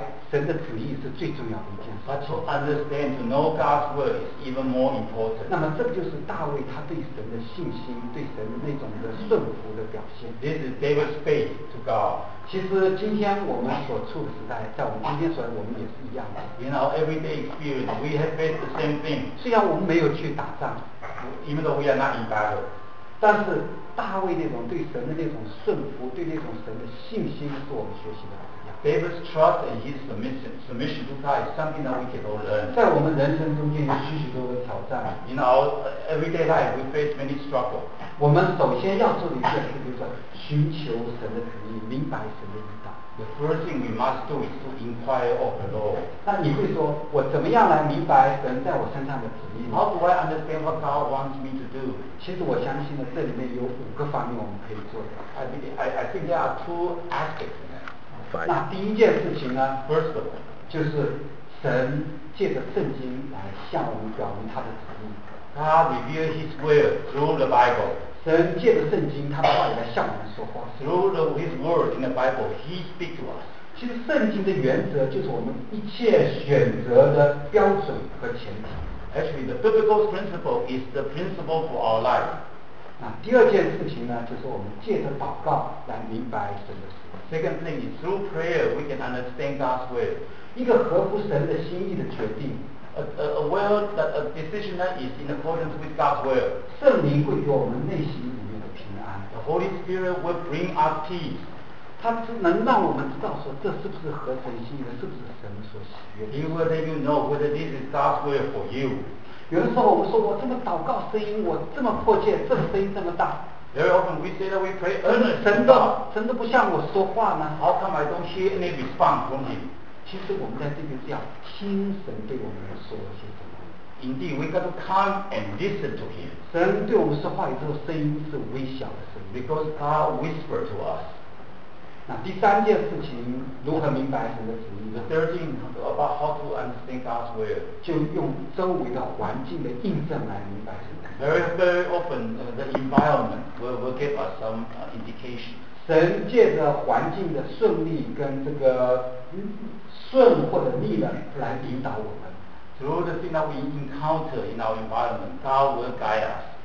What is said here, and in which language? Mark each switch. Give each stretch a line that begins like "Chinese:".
Chinese: 神的旨意是最重要的一件事。
English: But to understand to know God's word is even more important.
Chinese: 那么这就是大卫他对神的信心，对神那种的顺服的表现。
English: This is David's faith to God.
Chinese: 其实今天我们所处的时代，在我们今天所我们也是一样的。
English: In our everyday experience, we have faced the same thing.
Chinese: 虽然我们没有去打仗
English: ，Even though we are not in battle.
Chinese: 但是大卫那种对神的那种顺服，对那种神的信心，是我们学习的。
English: David's trust and his submission to God is something that we can all learn.
Chinese: 在我们人生中间有许许多多挑战。
English: In our everyday life, we face many struggles.
Chinese: 我们首先要做的一件事就是寻求神的旨意，明白神的引导。
English: The first thing we must do is to inquire of the Lord.
Chinese: 那你会说，我怎么样来明白神在我身上的旨意
English: ？How do I understand what God wants me to do?
Chinese: 其实我相信呢，这里面有五个方面我们可以做的。
English: I think there are two aspects.
Chinese: 那第一件事情呢
English: ，first of all，
Chinese: 就是神借着圣经来向我们表明他的旨意。
English: God reveals His will through the Bible。
Chinese: 神借着圣经，他的话语来向我们说话。
English: Through His word in the Bible, He speaks to us。
Chinese: 其实圣经的原则就是我们一切选择的标准和前提。
English: Actually, the biblical principle is the principle for our life。
Chinese: 那第二件事情呢，就是我们借着祷告来明白神的旨意。
English: Second thing is through prayer we can understand God's will.
Chinese: 一个合乎神的心意的决定
English: a decision that is in accordance with God's will.
Chinese: 圣灵会给我们内心里面的平安。
English: The Holy Spirit will bring us peace.
Chinese: 它能让我们知道说这是不是合神心意的，是不是神所喜悦的。
English: He will let you know whether this is God's will for you.
Chinese: 有的时候我们说我这么祷告声音我这么迫切，这声音这么大。
English: Very often we say that we pray earnestly.
Chinese: 神都不向我说话呢。
English: How come I don't hear any response from him?
Chinese: 其实我们在这边是要听神对我们说了些什么。
English: Indeed, we got to come and listen to him.
Chinese: 神对我们说话以后，声音是微小的声音。
English: Because God whispered to us.
Chinese: 那第三件事情，如何明白神的旨意
English: ？The third thing about how to understand God's will.
Chinese: 就用周围的环境的印证来明白神。
English: Very often the environment will give us some indication.
Chinese: 神借着环境的顺利跟这个顺或者逆的来引导我们。
English: Through the things that we encounter in our environment, God will guide us.